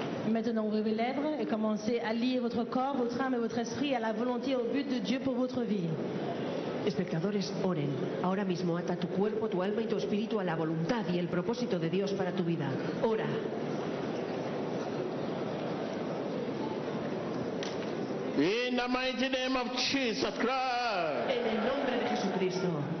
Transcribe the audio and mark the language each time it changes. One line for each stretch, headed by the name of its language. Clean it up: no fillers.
French: Maintenant, ouvrez vos lèvres et commencez à lier votre corps, votre âme et votre esprit à la volonté et au but de Dieu pour votre vie.
Spanish: Espectadores, oren. Ahora mismo ata tu cuerpo, tu alma y tu espíritu a la voluntad y el propósito de Dios para tu vida. Ora.
English: In the mighty name of Jesus Christ.
Spanish: En el nombre de Jesucristo.